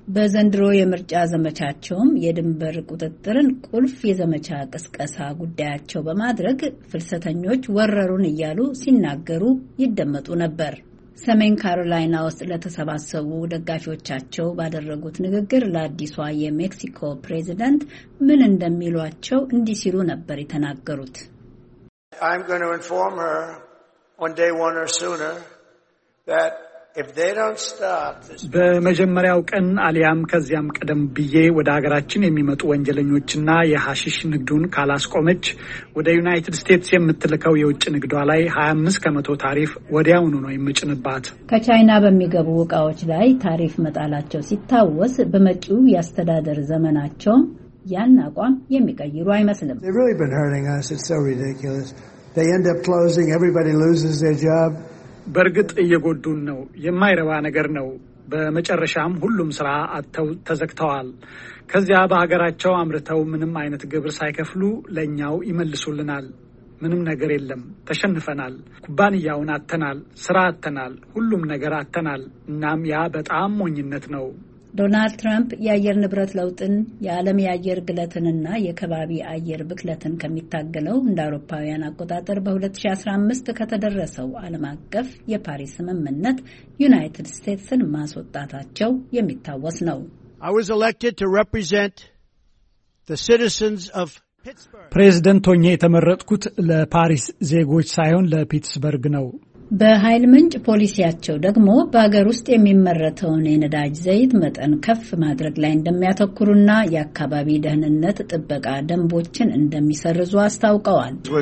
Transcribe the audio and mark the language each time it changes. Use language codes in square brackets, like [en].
[am] በዘንድሮ የምርጫ ዘመቻቸውም የድንበር ቁጥጥርን ቁልፍ የዘመቻ ቅስቀሳ ጉዳያቸው በማድረግ ፍልሰተኞች ወረሩን እያሉ ሲናገሩ ይደመጡ ነበር። ሰሜን ካሮላይና ውስጥ ለተሰባሰቡ ደጋፊዎቻቸው ባደረጉት ንግግር ለአዲሷ የሜክሲኮ ፕሬዚደንት ምን እንደሚሏቸው እንዲህ ሲሉ ነበር የተናገሩት። [en] I'm going to inform her on day one or sooner that if they don't stop this [am] በመጀመሪያው ቀን አሊያም ከዚያም ቀደም ብዬ ወደ ሀገራችን የሚመጡ ወንጀለኞችና የሐሺሽ ንግዱን ካላስቆመች ወደ ዩናይትድ ስቴትስ የምትልከው የውጭ ንግዷ ላይ 25% ታሪፍ ወዲያውኑ ነው የምጭንባት። ከቻይና በሚገቡ ዕቃዎች ላይ ታሪፍ መጣላቸው ሲታወስ በመጪው ያስተዳደር ዘመናቸው ያን አቋም የሚቀይሩ አይመስልም። [en] They've really been hurting us. It's so ridiculous. They end up closing. Everybody loses their job. [am] በርግጥ እየጎዱን ነው። የማይረባ ነገር ነው። በመጨረሻም ሁሉም ስራ አጥተው ተዘክተዋል። ከዚያ በአገራቸው አመረተው ምንም አይነት ግብር ሳይከፍሉ ለኛው ይመልሱልናል። ምንም ነገር የለም። ተሸንፈናል። ኩባንያውን አጥተናል። ስራ አጥተናል። ሁሉም ነገር አጥተናል። እናም ያ በጣም ሞኝነት ነው። ዶናልድ ትራምፕ የአየር ንብረት ለውጥን የዓለም የአየር ግለትንና የከባቢ አየር ብክለትን ከሚታገለው እንደ አውሮፓውያን አቆጣጠር በ2015 ከተደረሰው ዓለም አቀፍ የፓሪስ ስምምነት ዩናይትድ ስቴትስን ማስወጣታቸው የሚታወስ ነው። [en] I was elected to represent the citizens of Pittsburgh. [am] ፕሬዝደንት ሆኜ የተመረጥኩት ለፓሪስ ዜጎች ሳይሆን ለፒትስበርግ ነው። በኃይል ምንጭ ፖሊሲያቸው ደግሞ በአገር ውስጥ የሚመረተውን የነዳጅ ዘይት መጠን ከፍ ማድረግ ላይ እንደሚያተኩሩና የአካባቢ ደህንነት ጥበቃ ደንቦችን እንደሚሰርዙ አስታውቀዋል።